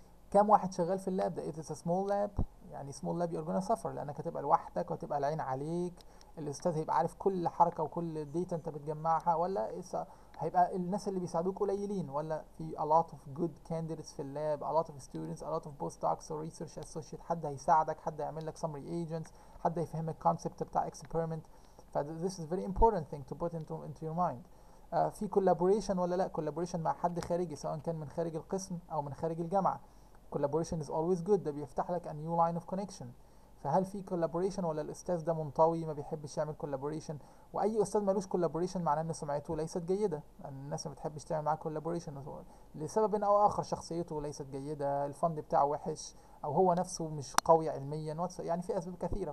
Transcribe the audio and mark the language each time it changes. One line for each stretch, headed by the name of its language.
Arabic: كام واحد شغال في اللاب ده؟ اذا
English: it's a small lab,
Arabic: يعني
English: small lab you're gonna suffer,
Arabic: لانك هتبقى لوحدك وهتبقى العين عليك، الاستاذ هيبقى عارف كل حركه وكل ديتا انت بتجمعها. ولا هيبقى الناس اللي بيساعدوك قليلين، ولا في
English: a lot of good candidates
Arabic: في اللاب،
English: a lot of students، a lot of postdocs or research associate،
Arabic: حد هيساعدك، حد هيعمل لك
English: summary agents،
Arabic: حد هيفهمك concept بتاع experiment.
English: ف this is very important thing to put into your mind.
Arabic: في collaboration ولا لا؟ collaboration مع حد خارجي، سواء كان من خارج القسم او من خارج الجامعة.
English: collaboration is always good،
Arabic: ده بيفتح لك
English: a new line of connection.
Arabic: فهل في كولابوريشن ولا الاستاذ ده منطوي ما بيحبش يعمل كولابوريشن؟ واي استاذ مالوش كولابوريشن معناه ان سمعته ليست جيده، لان الناس ما بتحبش تعمل معاه كولابوريشن لسبب او اخر، شخصيته ليست جيده، الفند بتاعه وحش، او هو نفسه مش قوي علميا، يعني في اسباب كثيره.